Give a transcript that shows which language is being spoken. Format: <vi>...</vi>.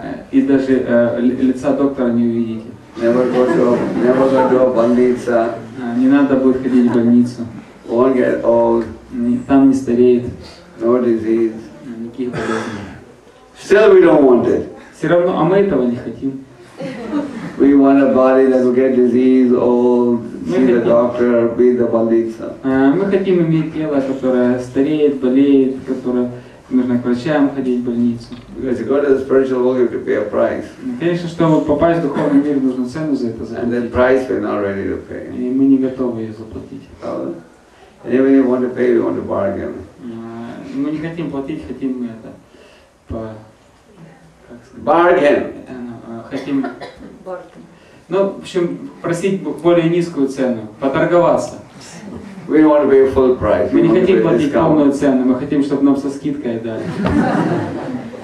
<ru>И даже лица доктора не увидите.</ru> <en>Never go to a</en> <ru>больница. Не надо будет ходить в больницу.</ru> <en>Won't get old.</en> <ru>Там не стареет.</ru> <en>No disease.</en> <ru>Никаких болезней.</ru> <en>Still we don't want it.</en> <ru>Все равно, а мы этого не хотим.</ru> <en>We want a body that will get disease, old, see the doctor, be the</en> <ru>больница. Мы хотим иметь тело, которое стареет, болеет, которое нужно к врачам ходить в больницу.</ru> <en>Because you go to the spiritual world, you have to pay a price.</en> <ru>Конечно, чтобы попасть в духовный мир, нужно цену за это заплатить.</ru> <en>And that price we're not ready to pay.</en> <ru>И мы не готовы ее заплатить.</ru> <en>And even if you want to pay, we want to bargain.</en> <ru>Мы не хотим платить, хотим мы это по...</ru> <en>Bargain!</en> <ru>Хотим... Ну, в общем, просить более низкую цену, поторговаться.</ru> <en>We don't want to pay full price.</en> <ru>Мы не хотим платить полную цену, мы хотим, чтобы нам со скидкой дали.</ru>